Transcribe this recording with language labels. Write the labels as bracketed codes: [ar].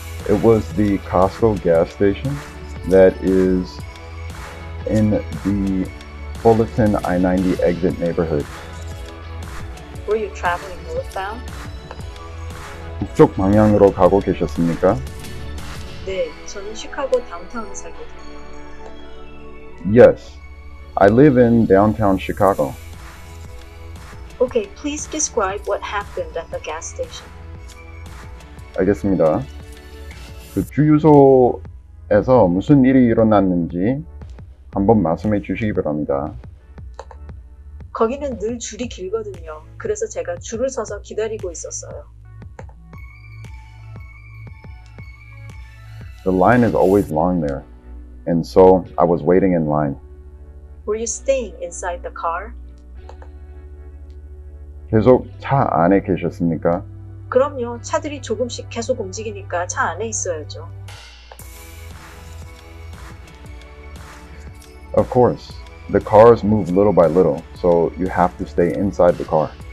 [en] It was the Costco gas station that is in the Fullerton I-90 exit neighborhood. Were you traveling northbound? [ko] 북쪽 방향으로 가고 계셨습니까? 네, 저는 시카고 다운타운에 살고 있습니다. [en] Yes, I live in downtown Chicago. Okay, please describe what happened at the gas station. [ko] 알겠습니다. 그 주유소에서 무슨 일이 일어났는지 한번 말씀해 주시기 바랍니다. 거기는 늘 줄이 길거든요. 그래서 제가 줄을 서서 기다리고 있었어요. [en] The line is always long there, and so I was waiting in line. Were you staying inside the car? [ko] 계속 차 안에 계셨습니까? 그럼요. 차들이 조금씩 계속 움직이니까 차 안에 있어야죠. [en] Of course. The cars move little by little, so you have to stay inside the car.